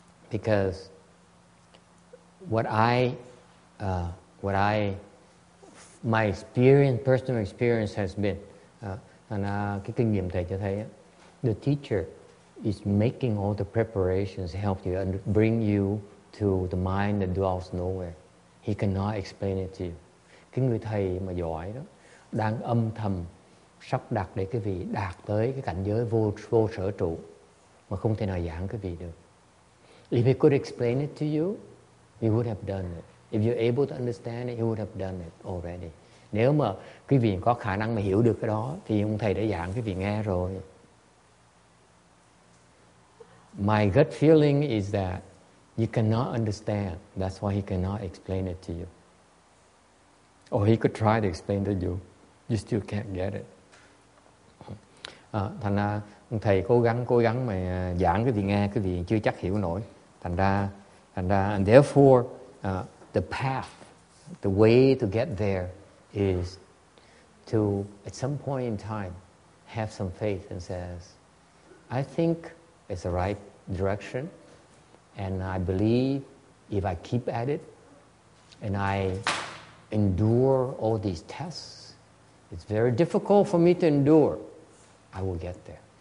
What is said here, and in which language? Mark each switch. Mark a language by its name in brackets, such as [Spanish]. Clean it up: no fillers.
[English] Because my experience, personal experience has been, [Vietnamese] cái kinh nghiệm thầy cho thấy, [English] the teacher is making all the preparations to help you and bring you to the mind that dwells nowhere. He cannot explain it to you. [Vietnamese] Cái người thầy mà giỏi đó đang âm thầm sắp đặt để cái vị đạt tới cái cảnh giới vô sở trụ mà không thể nào giảng cái vị được. [English] If he could explain it to you, he would have done it. If you're able to understand it, he would have done it already. [Vietnamese] Nếu mà quý vị có khả năng mà hiểu được cái đó thì ông thầy đã giảng quý vị nghe rồi. [English] My gut feeling is that you cannot understand. That's why he cannot explain it to you. Or he could try to explain to you. You still can't get it. [Vietnamese] Thành ra thầy cố gắng mà giảng cái gì nghe cái gì chưa chắc hiểu nổi. Thành ra [English] and therefore the path, the way to get there is to at some point in time have some faith and says, I think it's the right direction, and I believe if I keep at it and I endure all these tests, it's very difficult for me to endure, I will get there.